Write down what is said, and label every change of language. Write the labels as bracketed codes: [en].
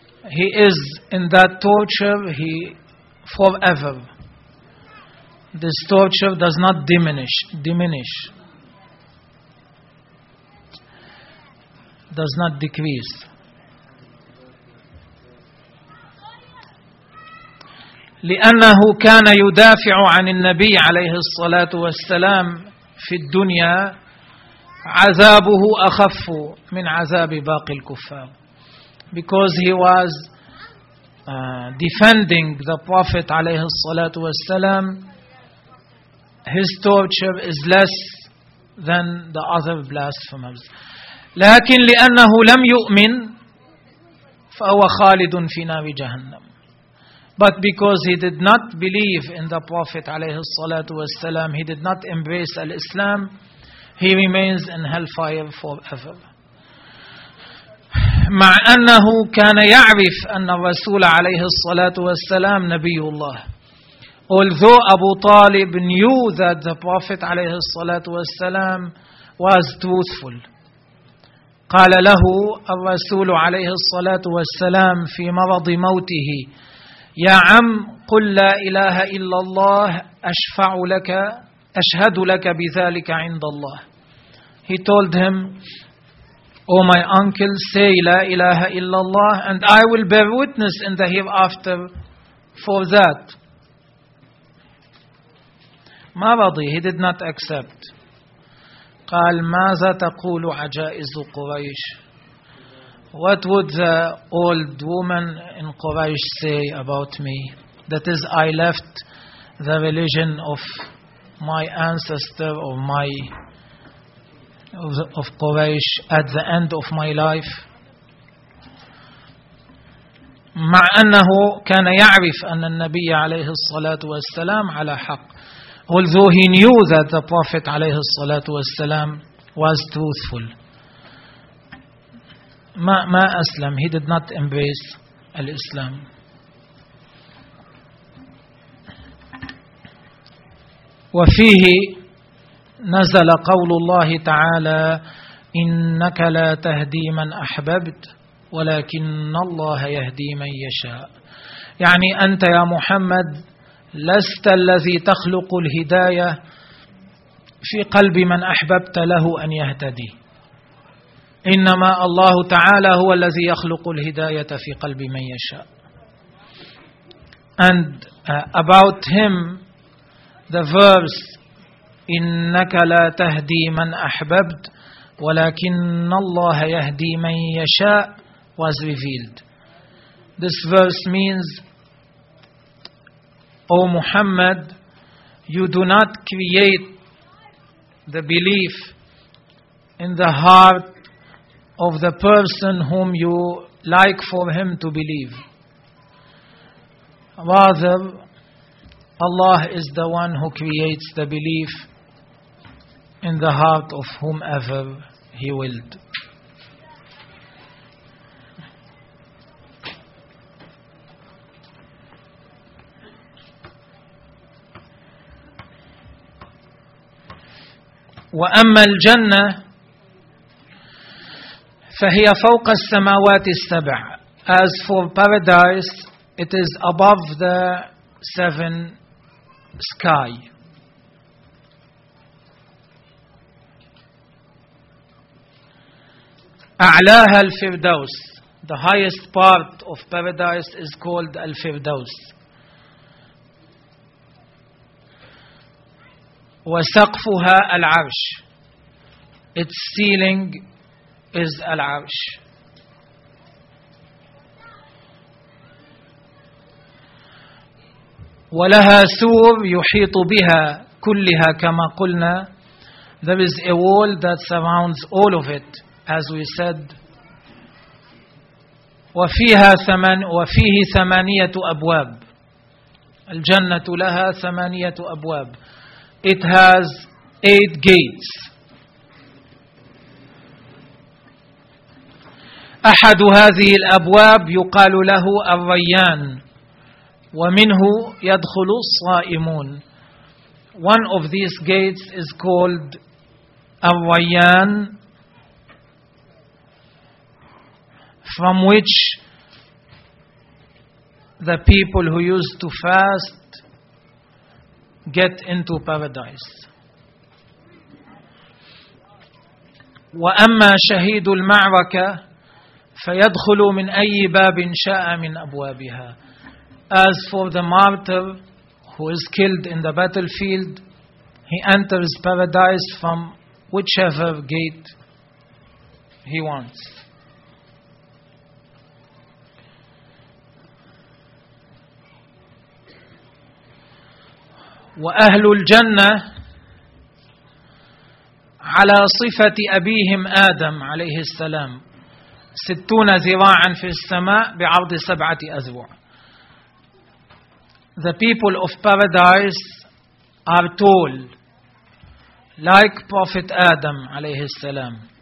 [en] He is in that torture he forever. This torture does not diminish. Does not decrease. [ar] لأنه كان يدافع عن النبي عليه الصلاة والسلام في الدنيا عذابه أخف من عذاب باقي الكفار. [en] Because he was defending the Prophet عليه الصلاة والسلام, his torture is less than the other blasphemers. [ar] لكن لأنه لم يؤمن فهو خالد في نار جهنم. [en] But because he did not believe in the Prophet عليه الصلاة والسلام, he did not embrace al-Islam, he remains in hellfire forever. [ar] مع أنه كان يعرف أن الرسول عليه الصلاة والسلام نبي الله. [en] Although Abu Talib knew that the Prophet عليه الصلاة والسلام was truthful. [ar] قال له الرسول عليه الصلاة والسلام في مرض موته: يا عم قل لا إله إلا الله أشفع لك أشهد لك بذلك عند الله. [en] He told him, "O my uncle, say La ilaha illallah, and I will bear witness in the hereafter for that." [ar] ما رضي. He did not accept. قال ماذا تقول عجائز قريش? [en] What would the old woman in Quraysh say about me? That is, I left the religion of my ancestor or my of Quraysh at the end of my life. [ar] مع أنه كان يعرف أن النبي عليه الصلاة والسلام على حق. [en] Although he knew that the Prophet عليه الصلاة والسلام was truthful. [ar] ما أسلم. [en] He did not embrace al-Islam. [ar] وفيه نزل قول الله تعالى: إنك لا تهدي من أحببت ولكن الله يهدي من يشاء. يعني أنت يا محمد لست الذي تخلق الهداية في قلب من أحببت له أن يهتدي، إنما الله تعالى هو الذي يخلق الهداية في قلب من يشاء. [en] And about him, the verbs, [ar] إنك لا تهدي من أحببت ولكن الله يهدي من يشاء [en] was revealed. This verse means, O Muhammad, you do not create the belief in the heart of the person whom you like for him to believe. Rather, Allah is the one who creates the belief in the heart of whomever he willed. [ar] وأما الجنة فهي فوق السماوات السبع. [en] As for paradise, it is above the seven sky. [ar] أعلاها الفردوس. [en] The highest part of paradise is called الفردوس. [ar] وسقفها العرش. [en] Its ceiling is العرش. [ar] ولها سور يحيط بها كلها كما قلنا. [en] There is a wall that surrounds all of it, as we said. [ar] وفيه ثمانية أبواب. الجنة لها ثمانية أبواب. [en] It has eight gates. [ar] أحد هذه الأبواب يقال له الريان، ومنه يدخل الصائمون. [en] One of these gates is called الريان. From which the people who used to fast get into paradise. [ar] وَأَمَّا شَهِيدُ الْمَعْرَكَةِ فَيَدْخُلُ مِنْ أَيِّ بَابٍ شَاءَ مِنْ أَبْوَابِهَا. [en] As for the martyr who is killed in the battlefield, he enters paradise from whichever gate he wants. [ar] وأهل الجنة على صفة أبيهم آدم عليه السلام 60 ذراعا في السماء بعرض 7 أذرع. [en] The people of paradise are tall like Prophet Adam عليه السلام.